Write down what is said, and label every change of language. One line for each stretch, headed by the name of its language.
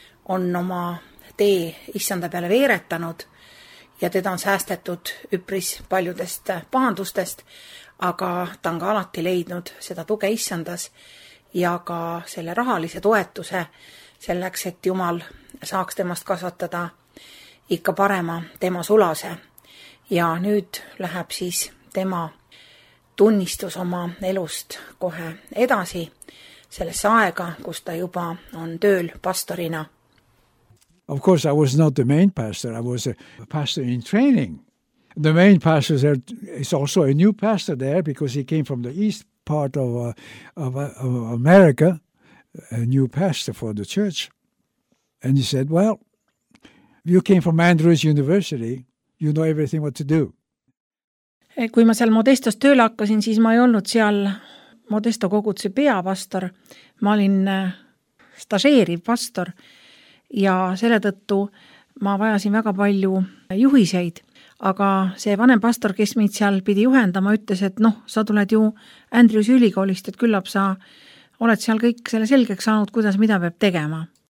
Estonian: on oma tee issanda peale veeretanud ja teda on säästetud üpris paljudest pahandustest, aga ta on ka alati leidnud seda tuge issandas ja ka selle rahalise toetuse selleks, et Jumal saaks temast kasvatada ikka parema tema sulase ja nüüd läheb siis tema tunnistus oma elust kohe edasi selles aega, kus ta juba on tööl pastorina.
English: Of course, I was not the main pastor. I was a pastor in training. The main pastor there is also a new pastor there because he came from the east part of America, a new pastor for the church. And he said, well, you came from Andrews University, you know everything what to do.
Estonian: Kui ma seal Modestos tööle hakkasin, siis ma ei olnud seal Modesto koguduse peapastor. Ma olin stageeriv pastor ja selle tõttu ma vajasin väga palju juhiseid. Aga see vanem pastor, kes mind seal pidi juhendama, ütles, et noh, sa tuled ju Andrews ülikoolist, et küllab sa oled seal kõik selle selgeks saanud, kuidas mida peab tegema.